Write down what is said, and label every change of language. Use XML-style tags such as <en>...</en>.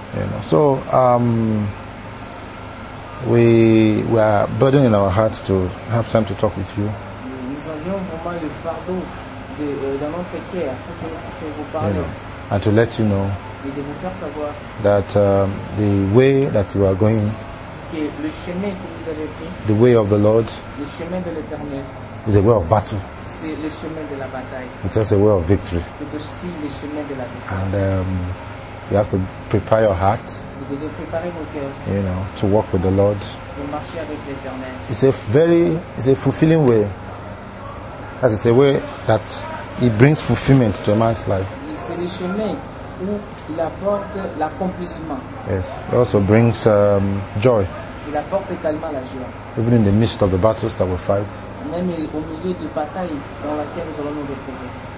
<en>You know, so we are burdened in our hearts to have time to talk with you.</en> <fr>Nous avions vraiment le fardeau dans notre cœur pour vous parler.</fr> <en>You know, and to let you know.</en> <fr>Et de vous faire savoir.</fr> <en>That the way that you are going.</en> <fr>Que le chemin que vous avez pris.</fr> <en>The way of the Lord.</en> <fr>Le chemin de l'Éternel.</fr> <en>Is a way of battle.</en> <fr>C'est le chemin de la bataille.</fr> <en>It's just a way of victory.</en> <fr>C'est aussi le chemin de la victoire.</fr> <en>And You have to prepare your heart.</en> <fr>Vous devez préparer vos cœurs.</fr> <en>You know, to walk with the Lord.</en> <fr>Pour marcher avec l'Éternel.</fr> <en>It's a fulfilling way. As it's a way that it brings fulfillment to a man's life.</en> <fr>C'est le chemin où il apporte l'accomplissement.</fr> <en>Yes, it also brings joy.</en> <fr>Il apporte également la joie.</fr> <en>Even in the midst of the battles that we fight.</en> <fr>Même au milieu de batailles dans lesquelles nous allons nous retrouver.</fr>